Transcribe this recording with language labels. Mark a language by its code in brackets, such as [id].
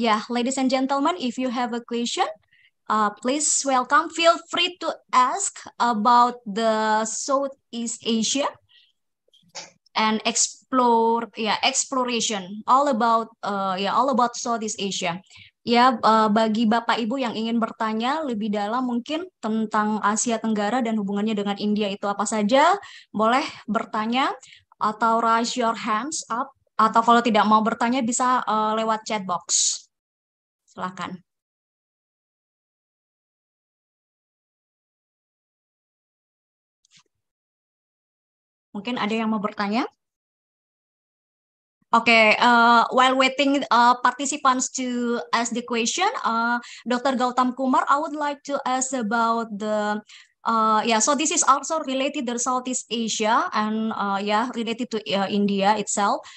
[en] Ladies and gentlemen, if you have a question, please welcome. Feel free to ask about the Southeast Asia and exploration all about Southeast Asia. [id] Ya, bagi Bapak Ibu yang ingin bertanya lebih dalam mungkin tentang Asia Tenggara dan hubungannya dengan India itu apa saja, boleh bertanya atau [en] raise your hands up [id] atau kalau tidak mau bertanya bisa lewat chat box. Silakan. Mungkin ada yang mau bertanya? [en] Oke, while waiting participants to ask the question, Dr. Gautam Kumar, I would like to ask about the so this is also related to Southeast Asia and related to India itself.